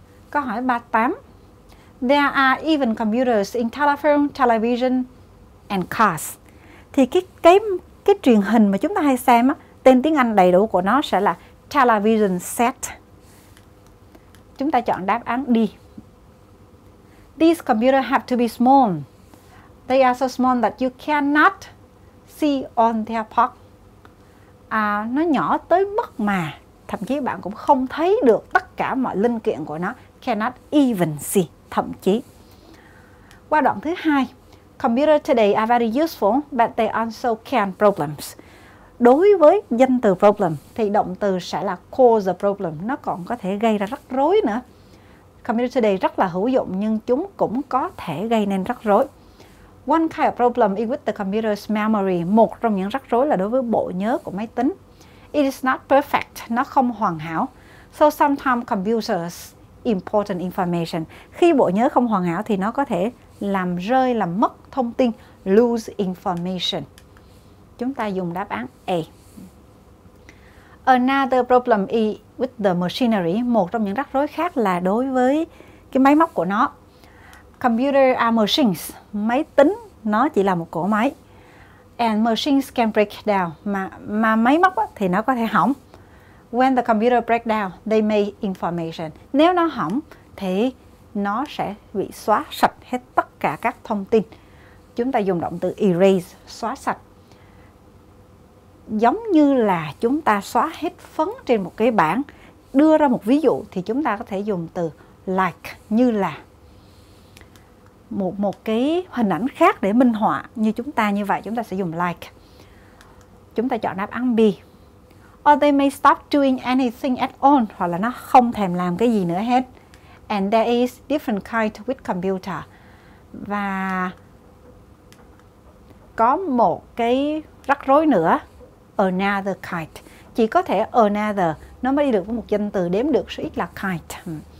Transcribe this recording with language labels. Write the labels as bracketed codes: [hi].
[vi] Câu hỏi 38. [en] There are even computers in telephone, television and cars. [vi] Thì cái truyền hình mà chúng ta hay xem á, tên tiếng Anh đầy đủ của nó sẽ là television set. Chúng ta chọn đáp án D. [en] These computers have to be small. They are so small that you cannot see on their part. [vi] À, nó nhỏ tới mức mà thậm chí bạn cũng không thấy được tất cả mọi linh kiện của nó. [en] Cannot even see, [vi] thậm chí. Qua đoạn thứ hai. [en] Computer today are very useful, but they also can problems. [vi] Đối với danh từ problem, thì động từ sẽ là cause a problem. Nó còn có thể gây ra rắc rối nữa. [en] Computer today [vi] rất là hữu dụng, nhưng chúng cũng có thể gây nên rắc rối. [en] One kind of problem is with the computer's memory. [vi] Một trong những rắc rối là đối với bộ nhớ của máy tính. [en] It is not perfect. [vi] Nó không hoàn hảo. [en] So sometimes computers important information. [vi] Khi bộ nhớ không hoàn hảo thì nó có thể làm rơi, làm mất thông tin. [en] Lose information. [vi] Chúng ta dùng đáp án A. [en] Another problem is with the machinery. [vi] Một trong những rắc rối khác là đối với cái máy móc của nó. [en] Computer are machines. [vi] Máy tính nó chỉ là một cỗ máy. [en] And machines can break down. [vi] Mà máy móc á, thì nó có thể hỏng. [en] When the computer breaks down, they may information. [vi] Nếu nó hỏng thì nó sẽ bị xóa sạch hết tất cả các thông tin. Chúng ta dùng động từ erase, xóa sạch. Giống như là chúng ta xóa hết phấn trên một cái bảng. Đưa ra một ví dụ thì chúng ta có thể dùng từ like, như là. Một cái hình ảnh khác để minh họa như chúng ta như vậy, chúng ta sẽ dùng like. Chúng ta chọn đáp án B. [en] Or they may stop doing anything at all. [vi] Hoặc là nó không thèm làm cái gì nữa hết. [en] And there is different kind with computer. [vi] Và có một cái rắc rối nữa. [en] Another kind. [vi] Chỉ có thể another. Nó mới đi được với một danh từ đếm được số ít là kind.